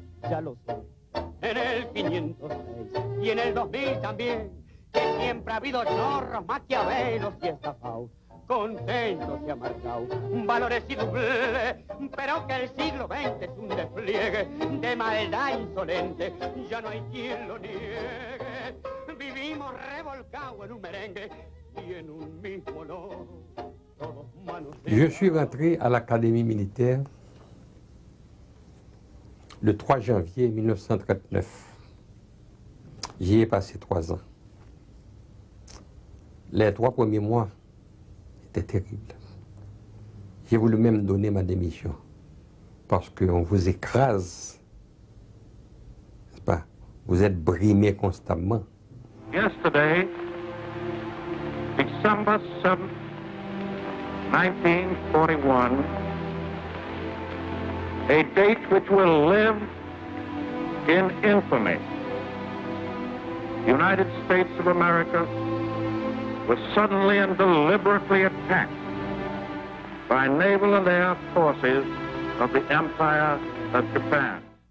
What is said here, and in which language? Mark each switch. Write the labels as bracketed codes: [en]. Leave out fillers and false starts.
[es] Ya lo sé, en el 506 y en el 2000 también, que siempre ha habido chorros, maquiavelos y estafaos, contentos y amargaos, valores y dobles, pero que el siglo XX es un despliegue de maldad insolente, ya no hay quien lo niegue, vivimos revolcados en un merengue y en un mismo olor, todos manos. [fr] Je suis rentré à l'Académie militaire le 3 janvier 1939. J'y ai passé 3 ans. Les 3 premiers mois étaient terribles. J'ai voulu même donner ma démission parce qu'on vous écrase. N'est-ce pas? Vous êtes brimé constamment. [en] Yesterday, December 7, 1941, a date which will live in infamy, the United States of America was suddenly and deliberately attacked by naval and air forces of the Empire of Japan.